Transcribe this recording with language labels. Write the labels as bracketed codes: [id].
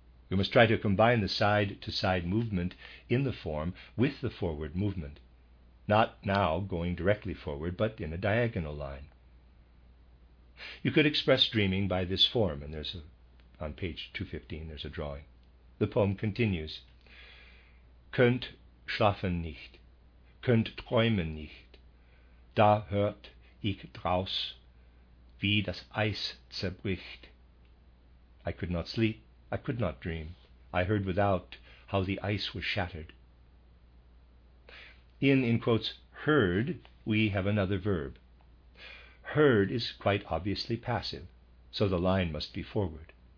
[en] We must try to combine the side-to-side movement in the form with the forward movement, not now going directly forward, but in a diagonal line. You could express dreaming by this form, and there's on page 215, there's a drawing. The poem continues. [de] Könnt schlafen nicht, könnt träumen nicht, da hört ich draus, wie das Eis zerbricht. [en] I could not sleep, I could not dream, I heard without how the ice was shattered. In quotes, heard, we have another verb. Heard is quite obviously passive, so the line must be forward.